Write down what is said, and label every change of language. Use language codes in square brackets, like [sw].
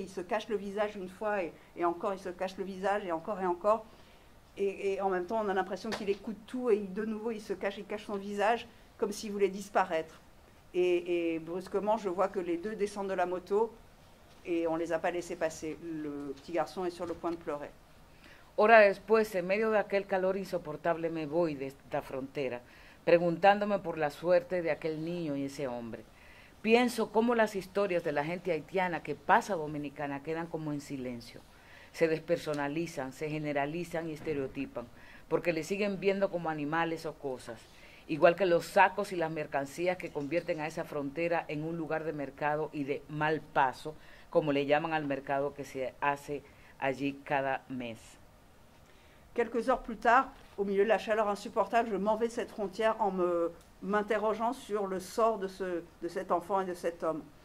[fr] Il se cache le visage une fois et encore, il se cache le visage et encore et encore. Et en même temps, on a l'impression qu'il écoute tout et il cache son visage comme s'il voulait disparaître. Et brusquement, je vois que les deux descendent de la moto. Et on les a pas laissés passer. Le petit garçon est sur le point de pleurer. [es] Hora después, en medio de aquel calor insoportable, me voy de esta frontera, preguntándome por la suerte de aquel niño y ese hombre. Pienso cómo las historias de la gente haitiana que pasa a Dominicana quedan como en silencio. Se despersonalizan, se generalizan y estereotipan, porque le siguen viendo como animales o cosas. Igual que los sacos y las mercancías que convierten a esa frontera en un lugar de mercado y de mal paso, comme le llaman al mercado que se hace allí cada mes. [fr] Quelques heures plus tard, au milieu de la chaleur insupportable, je m'en vais de cette frontière en m'interrogeant sur le sort de cet enfant et de cet homme.